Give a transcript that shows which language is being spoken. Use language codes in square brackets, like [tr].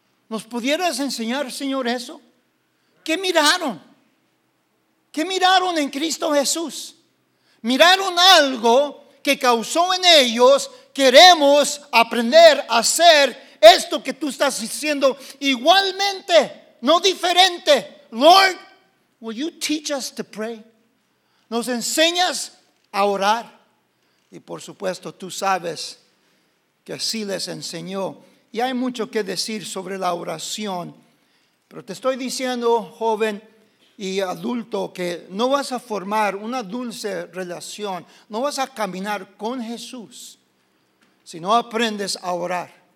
[es] ¿Nos pudieras enseñar, Señor, eso? ¿Qué miraron? ¿Qué miraron en Cristo Jesús? Miraron algo que causó en ellos: queremos aprender a hacer esto que tú estás diciendo igualmente, no diferente. [en] Lord, will you teach us to pray? [es] ¿Nos enseñas a orar? Y por supuesto, tú sabes que así les enseñó. Y hay mucho que decir sobre la oración, pero te estoy diciendo, joven y adulto, que no vas a formar una dulce relación, no vas a caminar con Jesús si no aprendes a orar.